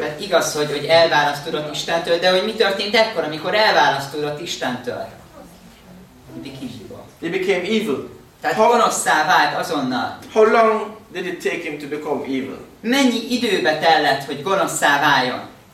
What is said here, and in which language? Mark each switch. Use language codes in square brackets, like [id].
[hu] Mert igaz, hogy elválasztódott Istentől, de hogy mi történt ekkor, amikor elválasztódott Istentől? [en] He became evil. [hu] Tehát gonoszszá vált azonnal. [en] How long did it take him to become evil? [hu] Mennyi időbe tellett, hogy gonoszszá váljon?